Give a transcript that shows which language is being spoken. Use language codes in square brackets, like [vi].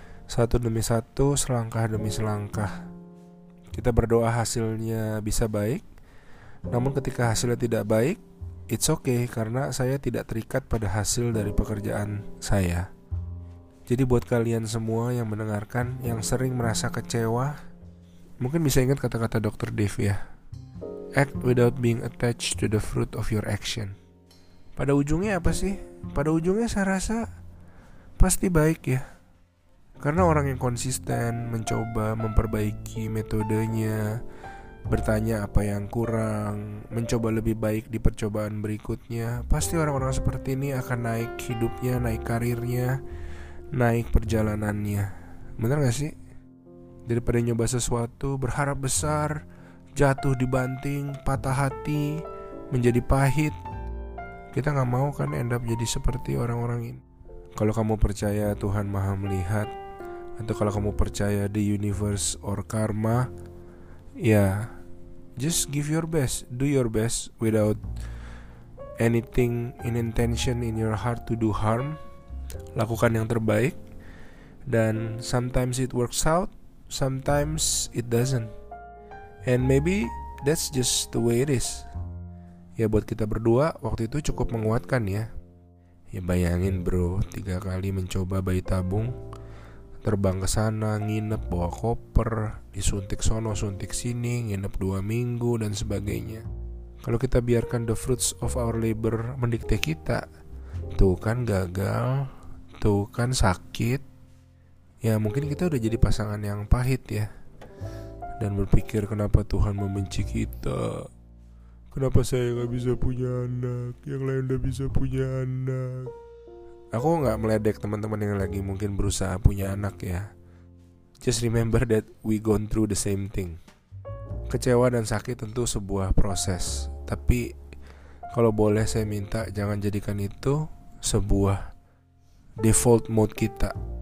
[id] Satu demi satu, selangkah demi selangkah. Kita berdoa hasilnya bisa baik. Namun ketika hasilnya tidak baik, [en] it's okay, [id] karena saya tidak terikat pada hasil dari pekerjaan saya. Jadi buat kalian semua yang mendengarkan, yang sering merasa kecewa, mungkin bisa ingat kata-kata Dr. Dave ya. [en] Act without being attached to the fruit of your action. [id] Pada ujungnya apa sih? Pada ujungnya saya rasa pasti baik ya. Karena orang yang konsisten mencoba memperbaiki metodenya, bertanya apa yang kurang, mencoba lebih baik di percobaan berikutnya, pasti orang-orang seperti ini akan naik hidupnya, naik karirnya, naik perjalanannya. Benar gak sih? Daripada nyoba sesuatu, berharap besar, jatuh dibanting, patah hati, menjadi pahit, kita gak mau kan [en] end up [id] jadi seperti orang-orang ini. Kalau kamu percaya Tuhan Maha Melihat, atau kalau kamu percaya [en] the universe or karma, ya, just give your best, do your best without anything in intention in your heart to do harm. [id] Lakukan yang terbaik, dan [en] sometimes it works out, sometimes it doesn't. And maybe that's just the way it is. [id] Ya buat kita berdua, waktu itu cukup menguatkan ya. Ya bayangin bro, 3 kali mencoba bayi tabung, terbang ke sana, nginep, bawa koper, disuntik sono, suntik sini, nginep 2 minggu dan sebagainya. Kalau kita biarkan [en] the fruits of our labor [id] mendikte kita, tuh kan gagal, tuh kan sakit. Ya mungkin kita udah jadi pasangan yang pahit ya. Dan berpikir kenapa Tuhan membenci kita. Kenapa saya gak bisa punya anak, yang lain udah bisa punya anak. Aku gak meledek teman-teman yang lagi mungkin berusaha punya anak ya. [en] Just remember that we gone through the same thing. [id] Kecewa dan sakit tentu sebuah proses. Tapi kalau boleh saya minta, jangan jadikan itu sebuah default mode kita.